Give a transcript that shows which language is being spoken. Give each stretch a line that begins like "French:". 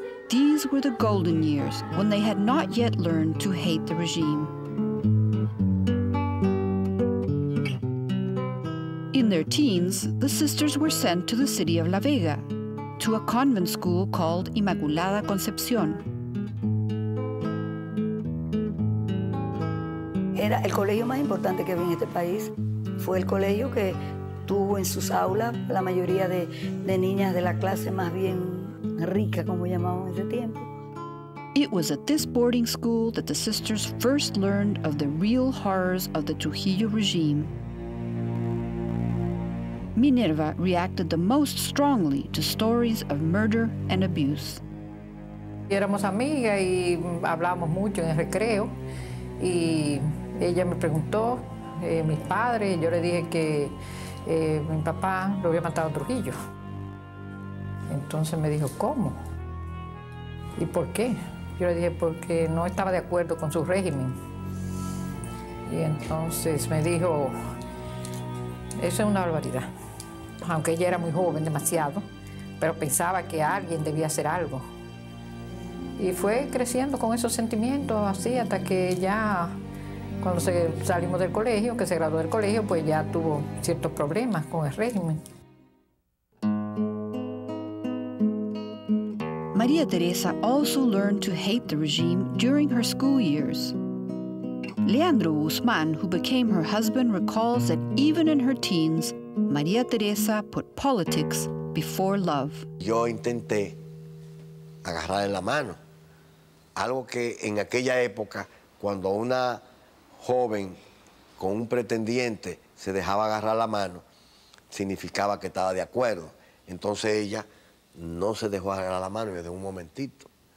English: These were the golden years when they had not yet learned to hate the regime. in their teens, the sisters were sent to the city of La Vega, to a convent school called Inmaculada Concepción.
Spanish: Era el colegio más importante que había en este país. Fue el colegio que tuvo en sus aulas la mayoría de niñas de la clase más bien rica, como llamaban en ese tiempo.
English: It was at this boarding school that the sisters first learned of the real horrors of the Trujillo regime. Minerva reacted the most strongly to stories of murder and abuse.
Spanish: Éramos amigas y hablábamos mucho en el recreo. Y ella me preguntó, mis padres, yo le dije que mi papá lo había matado en Trujillo. Entonces me dijo, ¿cómo? ¿Y por qué? Yo le dije, porque no estaba de acuerdo con su régimen. Y entonces me dijo, eso es una barbaridad. Aunque ella era muy joven, demasiado, pero pensaba que alguien debía hacer algo. Y fue creciendo con esos sentimientos así hasta que ya, cuando salimos del colegio, que se graduó del colegio, pues ya tuvo ciertos problemas con el régimen.
English: María Teresa also learned to hate the regime during her school years. Leandro Guzmán, who became her husband, recalls that even in her teens, María Teresa put politics before love.
Spanish: Yo intenté agarrarle la mano, algo que en aquella época, cuando una joven con un pretendiente se dejaba agarrar la mano, significaba que estaba de acuerdo. Entonces ella no se dejó agarrar la mano y me dijo, un momentito.